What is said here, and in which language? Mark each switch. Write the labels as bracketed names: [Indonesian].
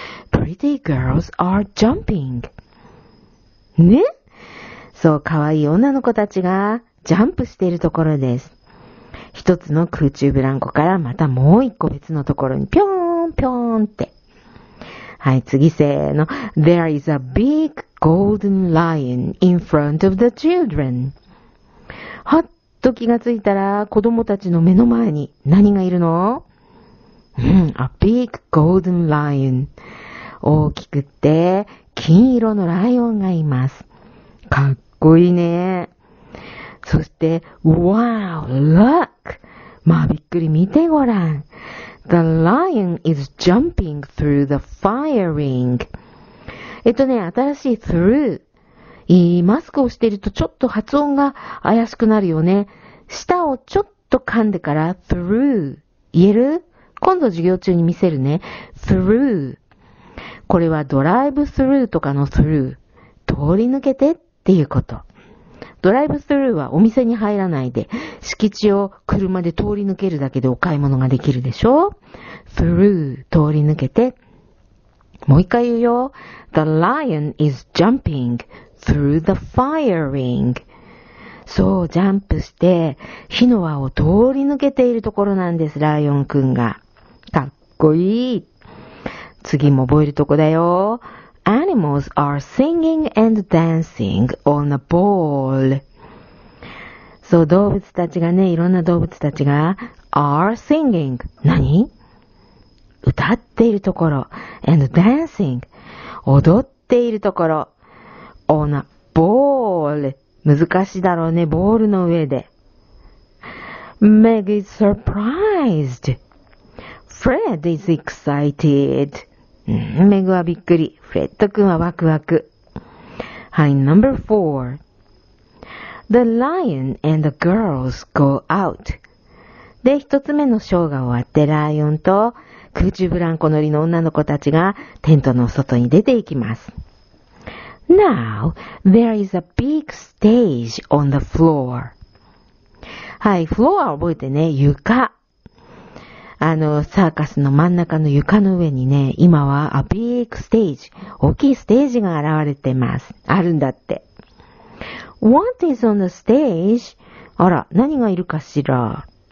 [English] pretty girls are jumping. ね？ [Japanese] そう、可愛い女の子たちがジャンプしているところです。一つの空中ブランコからまたもう一個別のところにぴょーんぴょーんって。はい、次せーの。 [English] There is a big golden lion in front of the children. [Japanese] はっと気がついたら子供たちの目の前に何がいるの？ [English] A big golden lion. [Japanese] 大きくて金色のライオンがいます。かっこいいね。そして、 [English] Wow, look! [Japanese] まあ、びっくり見てごらん。 [English] The lion is jumping through the fire ring. [Japanese] 新しい through。マスクをしているとちょっと発音が怪しくなるよね。舌をちょっと噛んでから through。言える？今度授業中に見せるね。 through。 これはドライブスルーとかの through。通り抜けてっていうこと。ドライブスルーはお店に入らないで、敷地を車で通り抜けるだけでお買い物ができるでしょ？ through 通り抜けて。もう一回言うよ。 [English] The lion is jumping through the fire ring. [Japanese] そう、ジャンプして火の輪を通り抜けているところなんです、ライオンくんが。かっこいい。次も覚えるとこだよ。 [English] Animals are singing and dancing on a ball. [Japanese] そう、動物たちがね、いろんな動物たちが [English] are singing. [Japanese] 何？歌っているところ。 [English] and dancing. [Japanese] 踊っているところ。 [English] on a ball. [Japanese] 難しいだろうね、ボールの上で。 [English] Meg is surprised. Fred is excited. [Japanese] メグはびっくり。フレット君はワクワク。 [English] はい、number four. The lion and the girls go out. [Japanese] で、一つ目のショーが終わって、ライオンと空中ブランコ乗りの女の子たちがテントの外に出ていきます。 [English] Now, there is a big stage on the floor. [Japanese] はい、フロア覚えてね、床。サーカスの真ん中の床の上にね、今は [English] a big stage、 [Japanese] 大きいステージが現れてます。あるんだって。 [English] What is on the stage? [Japanese] あら、何がいるかしら。